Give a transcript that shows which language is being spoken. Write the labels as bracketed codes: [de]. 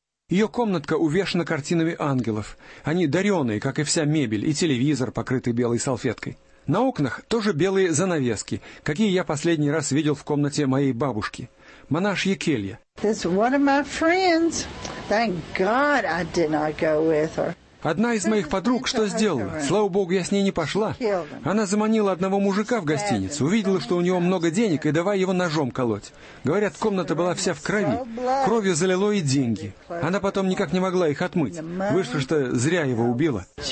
[ru] Ее комнатка увешана картинами ангелов. Они дареные, как и вся мебель, и телевизор, покрытый белой салфеткой. На окнах тоже белые занавески, какие я последний раз видел в комнате моей бабушки. Монашья келья. [en] This one of my friends. Thank God I did not go with her. [ru] Одна из моих подруг что сделала? Слава Богу, я с ней не пошла. Она заманила одного мужика в гостиницу, увидела, что у него много денег, и давай его ножом колоть. Говорят, комната была вся в крови. Кровью залило и деньги. Она потом никак не могла их отмыть. Вышло, что зря его убила.